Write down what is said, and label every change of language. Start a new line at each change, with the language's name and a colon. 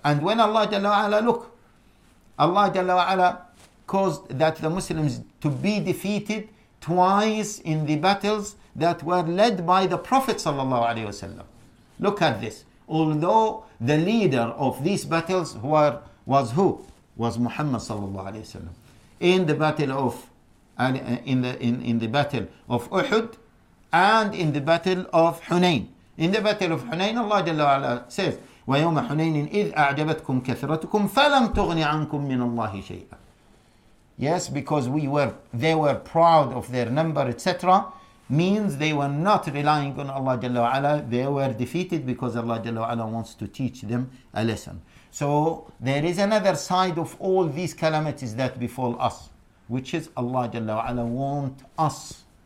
English: And when Allah Jalla wa'ala, look, Allah Jalla wa'ala caused that the Muslims to be defeated twice in the battles that were led by the Prophet Sallallahu Alaihi Wasallam. Look at this. Although the leader of these battles was who? Was Muhammad Sallallahu Alaihi Wasallam. In the battle of Uhud, and in the battle of Hunayn. In the battle of Hunayn, Allah Jalla wa'ala says,
Arabic: وَيَوْمَ حُنَيْنٍ إِذْ أَعْجَبَتْكُمْ كَثْرَتُكُمْ فَلَمْ تُغْنِ عَنْكُمْ مِنَ اللَّهِ شَيْئًا.
English: Yes, because they were proud of their number, etc. Means they were not relying on Allah Jalla wa'ala. They were defeated because Allah Jalla wa'ala wants to teach them a lesson. So there is another side of all these calamities that befall us, which is Allah Jalla wa'ala wants us.